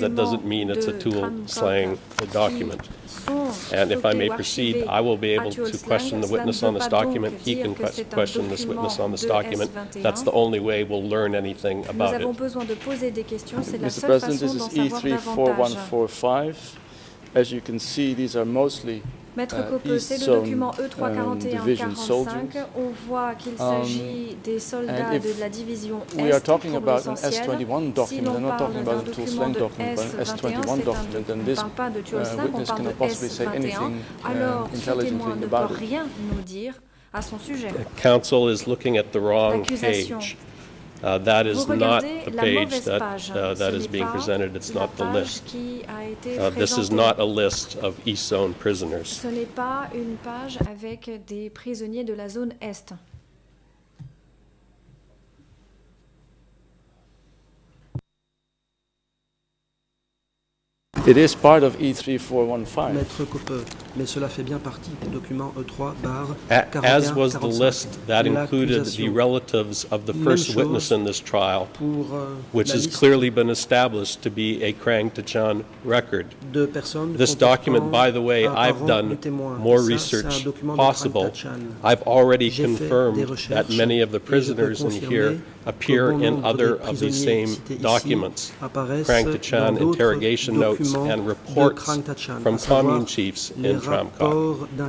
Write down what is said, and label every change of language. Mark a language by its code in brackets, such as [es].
[en] That doesn't mean it's a Tul Sleng document. And if I may proceed, I will be able to question the witness on this document. He can question this witness on this document. That's the only way we'll learn anything about it. Mr. President, this is E3/4145. As you can see, these are mostly [fr] Maître Copeau, c'est le document E341-45. On voit qu'il s'agit des soldats de la division S. [en] We are talking about an S21 document. [fr] Si [en] we're not talking about a tool sling document, but an S21 document. Then this witness cannot possibly say anything intelligently about [fr] rien nous dire à son sujet. [en] The counsel is looking at the wrong page. That is not the page that is being presented. It's not the list. This is not a list of East Zone prisoners. [fr] Ce n'est pas une page avec des prisonniers de la zone Est. [en] It is part of E3415. [fr] Maître Coupeau, mais cela fait bien partie du document E3-4145. [en] As was the list that included the relatives of the first witness in this trial, which has clearly been established to be a Krang Tachan record. This document, by the way, I've done more research possible. I've already confirmed that many of the prisoners in here appear in other of these same documents, Krang Tachan interrogation notes and reports from commune chiefs in Tram Kok.